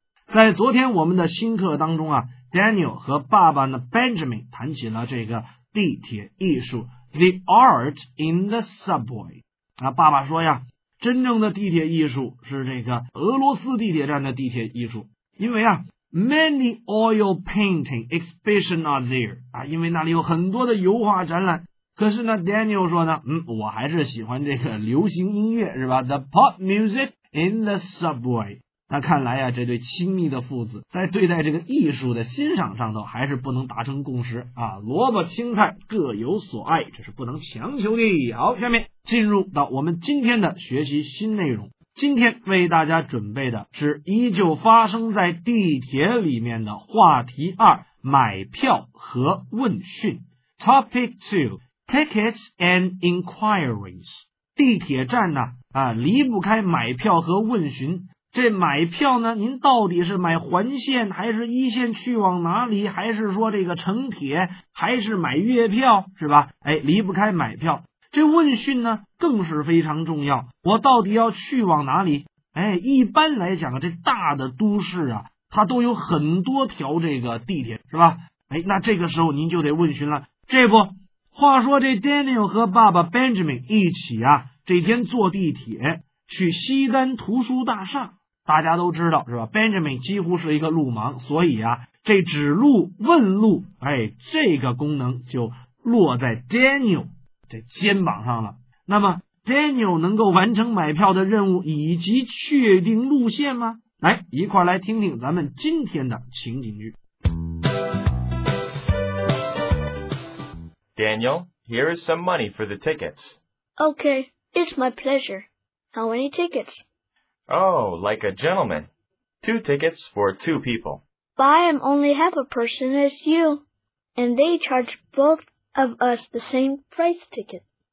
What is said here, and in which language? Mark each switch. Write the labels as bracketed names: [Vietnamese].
[Chinese] 在昨天我们的新课当中啊 ，Daniel 和爸爸的 Benjamin 谈起了这个地铁艺术 ， [English] The Art in the Subway。 [Chinese] 啊，爸爸说呀，真正的地铁艺术是这个俄罗斯地铁站的地铁艺术，因为啊。 [English] Many oil painting exhibition are there. [Chinese] 啊，因为那里有很多的油画展览。可是呢 ,Daniel 说呢，我还是喜欢这个流行音乐，是吧 ? [English] The pop music in the subway. [Chinese] 那看来啊，这对亲密的父子在对待这个艺术的欣赏上头还是不能达成共识。啊，萝卜青菜各有所爱，这是不能强求的。好，下面进入到我们今天的学习新内容。今天为大家准备的是依旧发生在地铁里面的话题二，买票和问讯。 [English] Topic 2, Tickets and Inquiries. [Chinese] 地铁站呢，离不开买票和问询。这买票呢，您到底是买环线还是一线去往哪里，还是说这个城铁，还是买月票，是吧？哎，离不开买票。这问讯呢更是非常重要，我到底要去往哪里？哎，一般来讲这大的都市啊，它都有很多条这个地铁，是吧？哎，那这个时候您就得问询了。这不，话说这 Daniel 和爸爸 Benjamin 一起啊，这天坐地铁去西单图书大厦。大家都知道，是吧？Benjamin 几乎是一个路盲，所以啊，这指路问路，哎，这个功能就落在 Daniel肩膀上了。那么 Daniel 能够完成买票的任务以及确定路线吗？来，一块来听听咱们今天的情景剧。 [English] Daniel, here is some money for the tickets. Okay, it's my pleasure. How many tickets? Oh, like a gentleman. Two tickets for two people. But I am only half a person as you, and they charge both of us the same price ticket.